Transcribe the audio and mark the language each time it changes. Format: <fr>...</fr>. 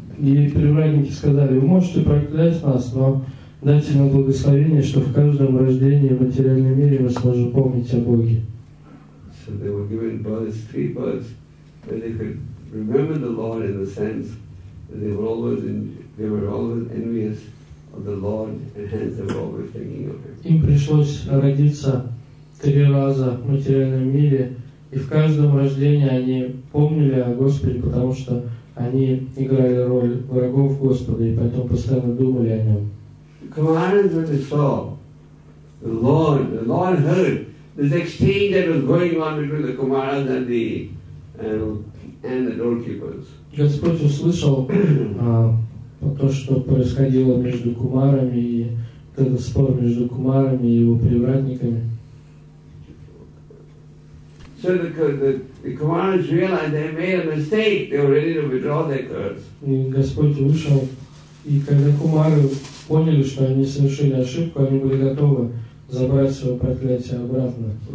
<ru>И привратники сказали, вы можете проклясть нас, но дайте нам благословение, что в каждом рождении в материальном мире мы сможем помнить о Боге.</ru> <en>So they were given births, three births, where they could remember the Lord in the sense that they were always envious of the Lord, and hence they were always thinking of Him.</en> <ru>Им пришлось родиться три раза в материальном мире. И в каждом рождении они помнили о Господе, потому что они играли роль врагов Господа, и поэтому постоянно думали о Нем.</ru> <en>Kumaranas, when they saw the Lord heard this exchange that was going on between the Kumaras and the doorkeepers.</en> <ru>Господь услышал то, что происходило между Кумарами, и этот спор между Кумарами и его привратниками.</ru> <en>So the Kumaras realized they made a mistake. They were ready to withdraw their curse.</en> <ru>Господь вышел, и когда Кумары поняли, что они совершили ошибку, они были готовы забрать свое проклятие обратно.</ru>